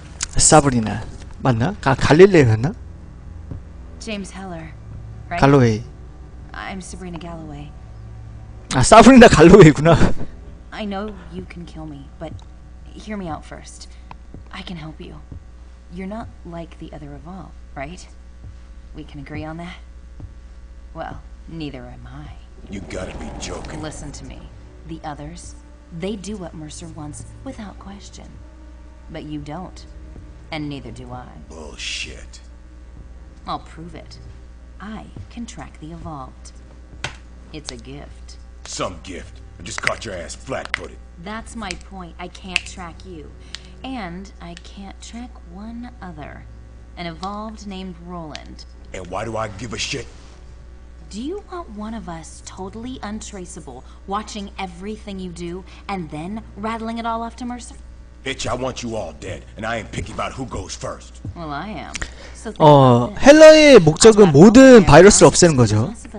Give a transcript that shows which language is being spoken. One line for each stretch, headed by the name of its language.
Korean: 사브리나 맞나? 아, 갈릴레였나?
English: James Heller, right?
Korean: 갈로웨이.
English: I'm Sabrina Galloway.
Korean: 아, 사브리나 갈로웨이구나.
English: I know you can kill me, but hear me out first. I can help you. You're not like the other Evolve, right? We can agree on that. Well, neither am I. You gotta be joking. Listen to me. The others, they do what Mercer wants without question. But you don't. And neither do I. Bullshit. I'll prove it. I can track the Evolved. It's a gift. Some gift. I just caught your ass flat-footed. That's my point. I can't track you. And I can't track one other. An Evolved named Roland. And why do I give a shit? Do you want one of us totally untraceable, watching everything you do, and then rattling it all off to Mercer? Bitch, I want you all dead, and I ain't picky about who goes first. Well, I am. So
Korean: 헬라의 목적은 모든 바이러스를 없애는 거죠.